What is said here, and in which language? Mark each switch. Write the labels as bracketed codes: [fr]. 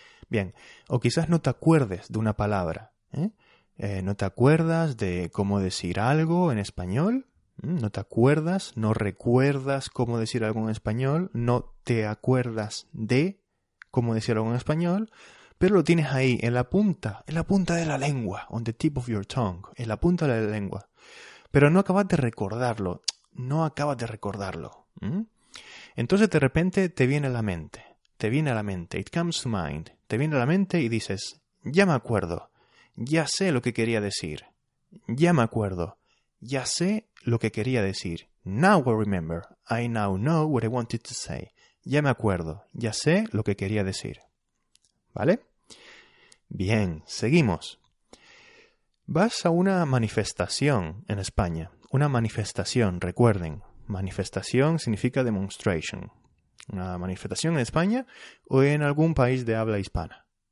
[es] Bien, o quizás no te acuerdes de una palabra, no te acuerdas de cómo decir algo en español, no te acuerdas, no recuerdas cómo decir algo en español, no te acuerdas de cómo decir algo en español, pero lo tienes ahí, en la punta de la lengua, [en] on the tip of your tongue, [es] en la punta de la lengua, pero no acabas de recordarlo, no acabas de recordarlo. Entonces de repente te viene a la mente, [en] it comes to mind, [es] te viene a la mente y dices, ya me acuerdo, ya sé lo que quería decir, ya me acuerdo, ya sé lo que quería decir. [en] Now I remember. I now know what I wanted to say. [es] Ya me acuerdo. Ya sé lo que quería decir. ¿Vale? Bien, seguimos. Vas a una manifestación en España. Una manifestación, recuerden. Manifestación significa demonstration. Una manifestación en España o en algún país de habla hispana.